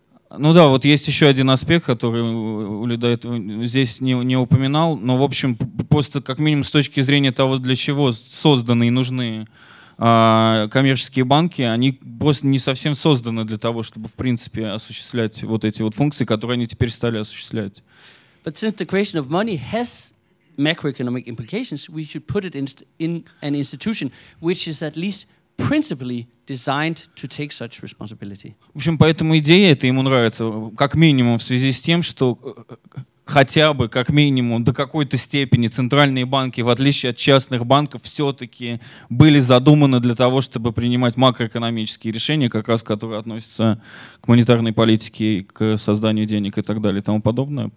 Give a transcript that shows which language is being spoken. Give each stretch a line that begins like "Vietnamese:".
Russian: Ну да, вот есть еще один аспект, который Уле до этого здесь не упоминал, но, в общем, просто как минимум с точки зрения того, для чего созданы и нужны коммерческие банки, они просто не совсем созданы для того, чтобы, в принципе, осуществлять вот эти вот функции, которые они теперь стали осуществлять.
English: But since the creation of money has macroeconomic implications, we should put it in an institution which is at least principally designed to take such responsibility.
Russian: В общем, поэтому идея эта ему нравится, как минимум в связи с тем, что хотя бы, как минимум, до какой-то степени центральные банки, в отличие от частных банков, все-таки были задуманы для того, чтобы принимать макроэкономические решения, как раз которые относятся к монетарной политике, к созданию денег и так далее и тому подобное.